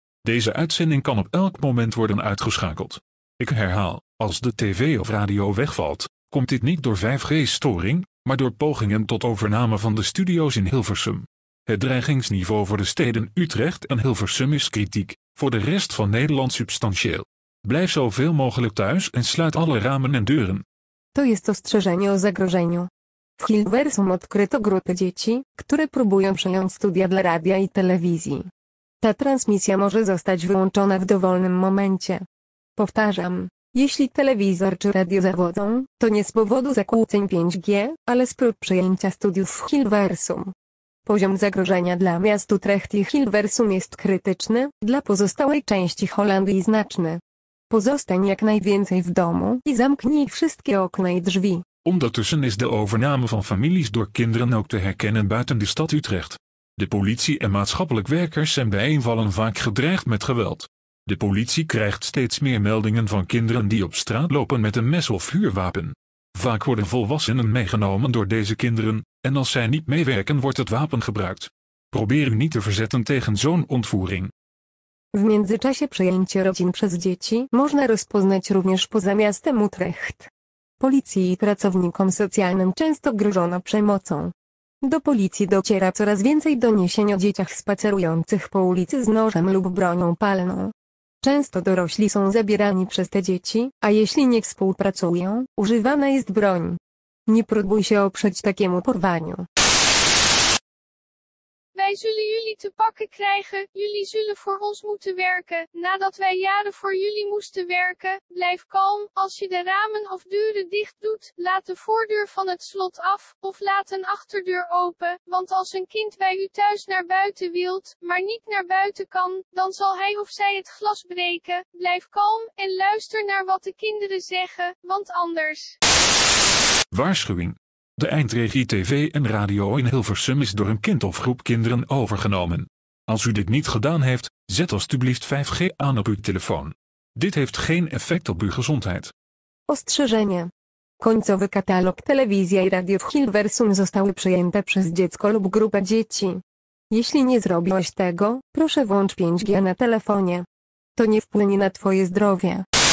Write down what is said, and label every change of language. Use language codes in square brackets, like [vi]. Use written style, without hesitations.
[nl] Deze uitzending kan op elk moment worden uitgeschakeld. Ik herhaal, als de tv of radio wegvalt, komt dit niet door 5G-storing, maar door pogingen tot overname van de studio's in Hilversum. Het dreigingsniveau voor de steden Utrecht en Hilversum is kritiek, voor de rest van Nederland substantieel. Blijf zoveel mogelijk thuis en sluit alle ramen en deuren. [pl] To jest ostrzeżenie o zagrożeniu. W Hilversum odkryto grupy dzieci, które próbują przejąć studia dla radia i telewizji. Ta transmisja może zostać wyłączona w dowolnym momencie. Powtarzam, jeśli telewizor czy radio zawodzą, to nie z powodu zakłóceń 5G, ale z prób przejęcia studiów w Hilversum. Poziom zagrożenia dla miast Utrecht i Hilversum jest krytyczny, dla pozostałej części Holandii znaczny. Pozostań jak najwięcej w domu i zamknij wszystkie okna i drzwi. [nl] Ondertussen is de overname van families door kinderen ook te herkennen buiten de stad Utrecht. De politie en maatschappelijk werkers zijn bij invallen vaak gedreigd met geweld. De politie krijgt steeds meer meldingen van kinderen die op straat lopen met een mes of vuurwapen. Vaak worden volwassenen meegenomen door deze kinderen, en als zij niet meewerken wordt het wapen gebruikt. Probeer u niet te verzetten tegen zo'n ontvoering. [pl] W międzyczasie przejęcie rodzin przez dzieci można rozpoznać również poza miastem Utrecht. Policji i pracownikom socjalnym często grożono przemocą. Do policji dociera coraz więcej doniesień o dzieciach spacerujących po ulicy z nożem lub bronią palną. Często dorośli są zabierani przez te dzieci, a jeśli nie współpracują, używana jest broń. Nie próbuj się oprzeć takiemu porwaniu. [nl] Wij zullen jullie te pakken krijgen, jullie zullen voor ons moeten werken, nadat wij jaren voor jullie moesten werken, blijf kalm, als je de ramen of deuren dicht doet, laat de voordeur van het slot af, of laat een achterdeur open, want als een kind bij u thuis naar buiten wilt, maar niet naar buiten kan, dan zal hij of zij het glas breken, blijf kalm, en luister naar wat de kinderen zeggen, want anders... Waarschuwing. De eindregie TV en radio in Hilversum is door een kind of groep kinderen overgenomen. Als u dit niet gedaan heeft, zet alstublieft 5G aan op uw telefoon. Dit heeft geen effect op uw gezondheid. [pl] Ostrzeżenie. Końcowy katalog telewizji i radio w Hilversum zostały przejęte przez dziecko lub grupę dzieci. Jeśli nie zrobiłeś tego, proszę włącz 5G na telefonie. To nie wpłynie na twoje zdrowie.